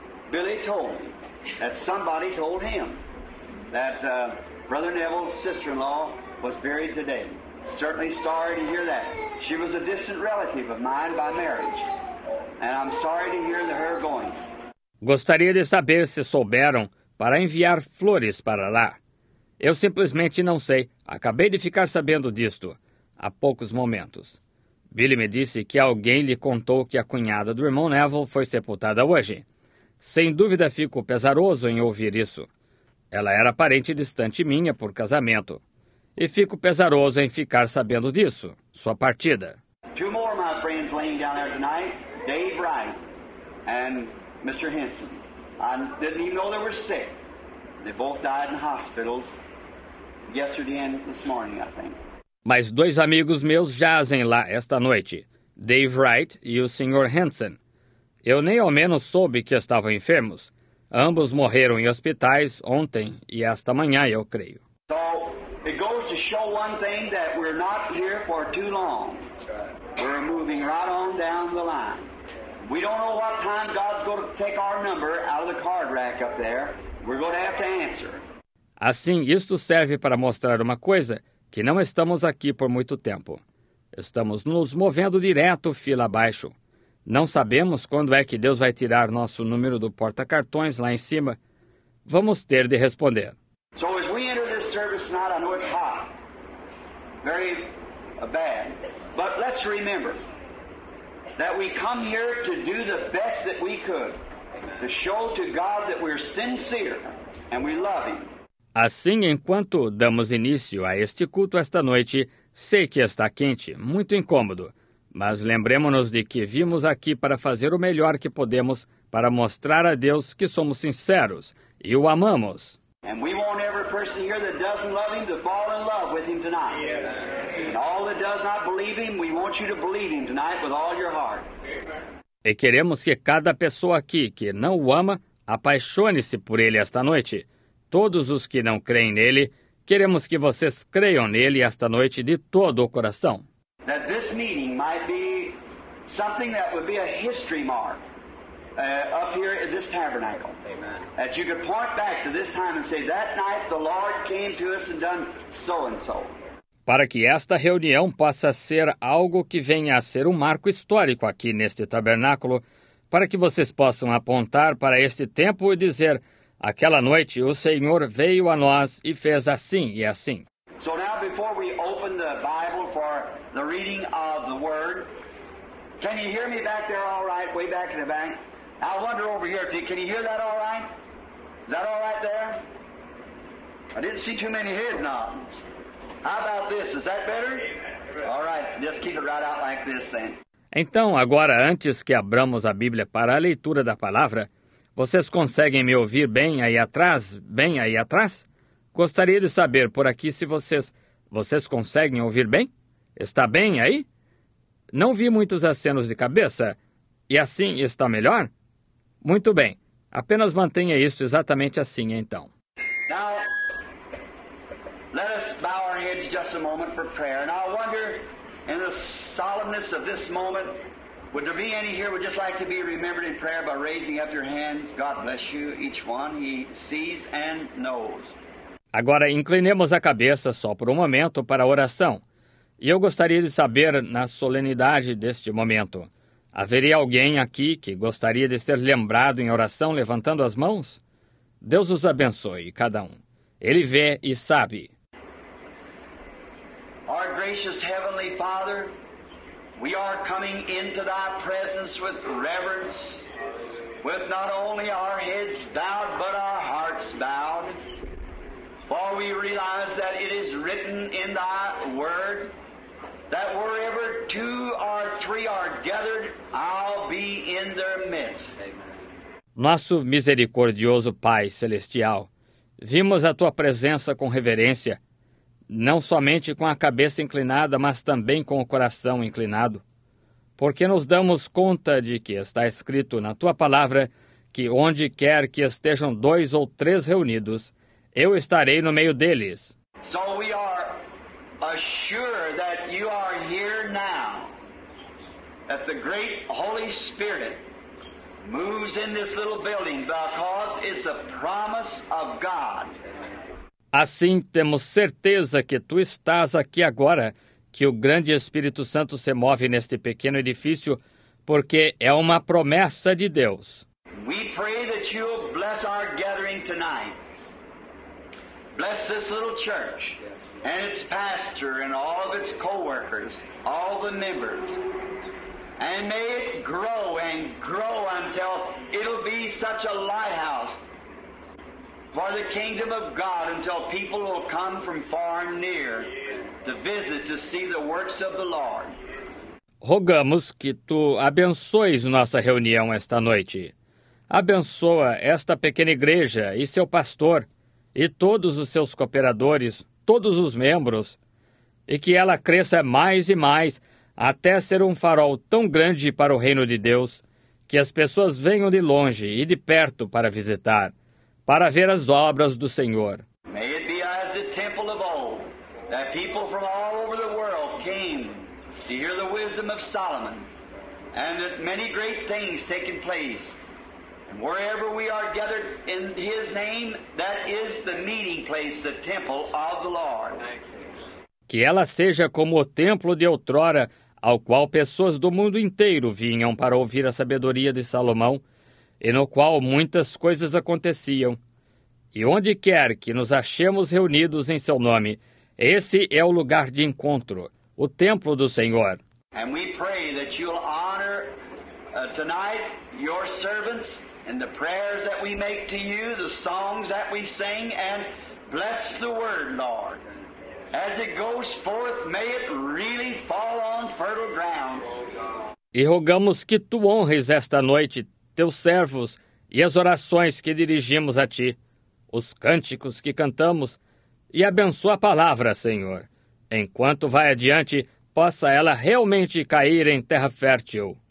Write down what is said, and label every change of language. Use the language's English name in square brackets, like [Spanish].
[English] Billy told me that somebody told him that Brother Neville's sister-in-law was buried today. Certainly sorry to hear that. She was a distant relative of mine by marriage. And I'm sorry to hear that her going. [Portuguese] Gostaria de saber se souberam para enviar flores para lá. Eu simplesmente não sei. Acabei de ficar sabendo disto há poucos momentos. Billy me disse que alguém lhe contou que a cunhada do irmão Neville foi sepultada hoje. Sem dúvida fico pesaroso em ouvir isso. Ela era parente distante minha por casamento. E fico pesaroso em ficar sabendo disso, sua partida. [English] Two more of my friends laying down there tonight, Dave Wright and Mr. Henson. I didn't even know they were sick. They both died in hospitals yesterday and this morning, I think. [Portuguese] Mas dois amigos meus jazem lá esta noite, Dave Wright e o Sr. Henson. Eu nem ao menos soube que estavam enfermos. Ambos morreram em hospitais ontem e esta manhã, eu creio. [English] So, it goes to show one thing that we're not here for too long. We're moving right on down the line. We don't know what time God's going to take our number out of the card rack up there. We're going to have to answer. [Portuguese] Assim, isto serve para mostrar uma coisa, que não estamos aqui por muito tempo. Estamos nos movendo direto fila abaixo. Não sabemos quando é que Deus vai tirar nosso número do porta-cartões lá em cima. Vamos ter de responder. [English] So as we enter this service tonight, I know it's hot. Very bad. But let's remember that we come here to do the best that we could. to show to God that we're sincere and we love Him. [Portuguese] Assim, enquanto damos início a este culto esta noite, sei que está quente, muito incômodo, mas lembremos-nos de que vimos aqui para fazer o melhor que podemos para mostrar a Deus que somos sinceros e o amamos. [English] And we want every person here that doesn't love Him to fall in love with Him tonight. Yes. And all that does not believe Him, we want you to believe Him tonight with all your heart. [Portuguese] E queremos que cada pessoa aqui que não o ama, apaixone-se por Ele esta noite. Todos os que não creem nele, queremos que vocês creiam nele esta noite de todo o coração. [English] That this meeting might be something that would be a history mark. Up here at this tabernacle. Amen. That you could point back to this time and say, that night the Lord came to us and done so and so. [Portuguese] Para que esta reunião possa ser algo que venha a ser um marco histórico aqui neste tabernáculo, para que vocês possam apontar para este tempo e dizer, aquela noite o Senhor veio a nós e fez assim e assim. [English] So now before we open the Bible for the reading of the Word, can you hear me back there all right, way back in the back? I wonder over here, can you hear that all right? Is that all right there? I didn't see too many head nods. How about this? Is that better? All right, just keep it right out like this then. [Portuguese] Então, agora, antes que abramos a Bíblia para a leitura da palavra, vocês conseguem me ouvir bem aí atrás? Bem aí atrás? Gostaria de saber por aqui se vocês conseguem ouvir bem? Está bem aí? Não vi muitos acenos de cabeça. E assim está melhor? Muito bem. Apenas mantenha isso exatamente assim, então. [English] Now, let us bow our heads just a moment for prayer. And I wonder, in the solemnness of this moment, would there be any here who would just like to be remembered in prayer by raising up your hands? God bless you, each one. He sees and knows. [Portuguese] Agora, inclinemos a cabeça só por um momento para a oração. E eu gostaria de saber, na solenidade deste momento, haveria alguém aqui que gostaria de ser lembrado em oração levantando as mãos? Deus os abençoe, cada um. Ele vê e sabe. [English] Our gracious Heavenly Father, we are coming into Thy presence with reverence, with not only our heads bowed, but our hearts bowed. For we realize that it is written in Thy Word, that wherever two or three are gathered, I'll be in their midst. [Portuguese] Nosso misericordioso Pai Celestial, vimos a Tua presença com reverência, não somente com a cabeça inclinada, mas também com o coração inclinado, porque nos damos conta de que está escrito na Tua palavra que onde quer que estejam dois ou três reunidos, eu estarei no meio deles. [English] So we are assure that you are here now, that the great Holy Spirit moves in this little building because it's a promise of God. [Portuguese] Assim, temos certeza que tu estás aqui agora, que o grande Espírito Santo se move neste pequeno edifício, porque é uma promessa de Deus. [English] We pray that you'll bless our gathering tonight. Bless this little church and its pastor and all of its co-workers, all the members. And may it grow and grow until it'll be such a lighthouse for the kingdom of God until people will come from far and near to visit to see the works of the Lord. [Portuguese] Rogamos que tu abençoes nossa reunião esta noite. Abençoa esta pequena igreja e seu pastor e todos os seus cooperadores, todos os membros, e que ela cresça mais e mais até ser um farol tão grande para o reino de Deus que as pessoas venham de longe e de perto para visitar, para ver as obras do Senhor. [English] May it be as the temple of old, that people from all over the world came to hear the wisdom of Solomon, and that many great things taken place. Wherever we are gathered in His name, that is the meeting place, the temple of the Lord. [Portuguese] Que ela seja como o templo de outrora, ao qual pessoas do mundo inteiro vinham para ouvir a sabedoria de Salomão, e no qual muitas coisas aconteciam. E onde quer que nos achemos reunidos em Seu nome, esse é o lugar de encontro, o templo do Senhor. [English] And we pray that you'll honor tonight your servants and the prayers that we make to you, the songs that we sing, and bless the word, Lord. As it goes forth, may it really fall on fertile ground. [Portuguese] E rogamos que tu honres esta noite teus servos e as orações que dirigimos a ti, os cânticos que cantamos, e abençoa a palavra, Senhor. Enquanto vai adiante, possa ela realmente cair em terra fértil.